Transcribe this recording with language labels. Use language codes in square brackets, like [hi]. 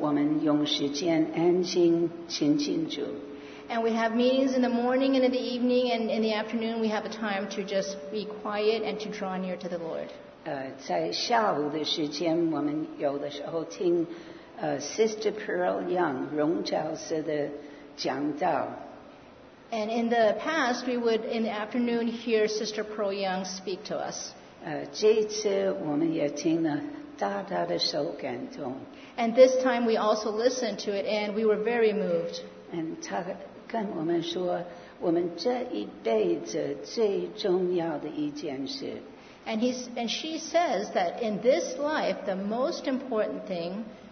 [zh] 我们早上有聚会，晚上也有聚会，中午我们用时间安静亲近主。 [en] And we have meetings in the morning and in the evening, and in the afternoon we have a time to just be quiet and to draw near to the Lord. [zh] 在下午的时间，我们有的时候听Sister Pearl Young 荣教师的讲道。 [en] And in the past, we would in the afternoon hear Sister Pearl Young speak to us. [zh] 这一次我们也听了大大的受感动。 [en] And this time we also listened to it and we were very moved. [zh] And 他跟我们说，我们这一辈子最重要的一件事。 [en] And she says that in this life, the most important thing